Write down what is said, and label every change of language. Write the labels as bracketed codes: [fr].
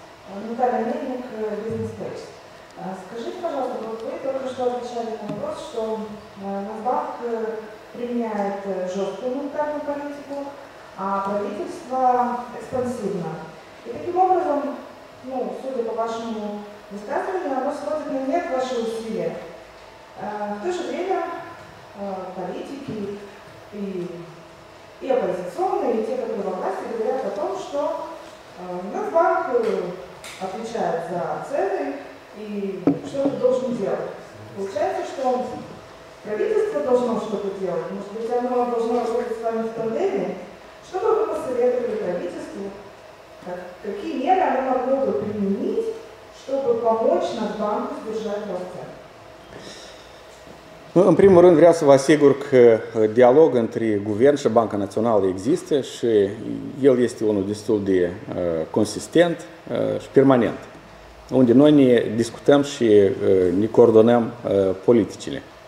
[ru] Наталья Мельник, Business Page. Скажите, пожалуйста, вот вы только что отвечали на вопрос, что Нацбанк применяет жесткую монетарную политику, а правительство экспансивно. И таким образом, ну, судя по вашему высказыванию, оно сводит на нет ваши усилия. В то же время политики и оппозиционные, и те, которые во власти, говорят о том, что Нацбанк отвечает за цены и что ты должен делать. Получается, что правительство должно что-то делать, может быть, оно должно работать с вами в тандеме. Что бы вы посоветовали правительству? Какие меры оно могло бы применить, чтобы помочь Нацбанку сдержать рост цен? [ro] Ну, în primul rând, vreau să vă asigur că dialog între guvern și Banca Națională există și el este unul destul de consistent și permanent, unde noi ne discutăm și ne coordonăm politicile.